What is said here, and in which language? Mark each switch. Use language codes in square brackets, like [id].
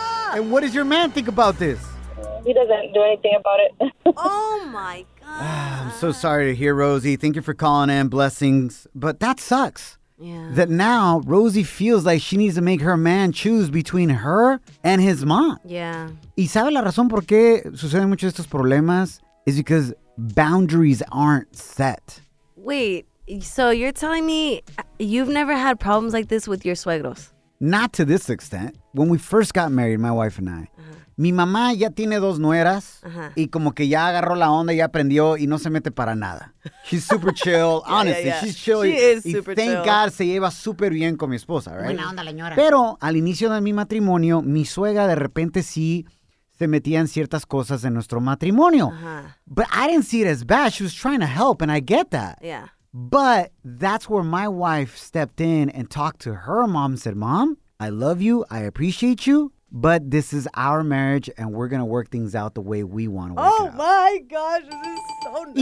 [en] And what does your man think about this? He doesn't do anything about it. Oh, my God. I'm so sorry to hear, Rosie. Thank you for calling in. Blessings. But that sucks. Yeah. That now Rosie feels like she needs to make her man choose between her and his mom. Yeah. [es] ¿Y sabe la razón por qué suceden muchos de estos problemas? [en] Is because boundaries aren't set. Wait. So you're telling me you've never had problems like this with your suegros? Not to this extent. When we first got married, my wife and I, [es] mi mamá ya tiene dos nueras y como que ya agarró la onda, ya aprendió y no se mete para nada. [en] She's super chill. Honestly, she's chill. She is super chill. [es] Y [en] thank God [es] se lleva super bien con mi esposa, [en] right? [es] Buena onda, señora. Pero al inicio de mi matrimonio, mi suegra de repente sí se metía en ciertas cosas en nuestro matrimonio. Uh-huh. [en] But I didn't see it as bad. She was trying to help and I get that. Yeah. But that's where my wife stepped in and talked to her mom and said, Mom, I love you. I appreciate you. But this is our marriage and we're going to work things out the way we want to work out. Oh my gosh, this is so nerve-wracking.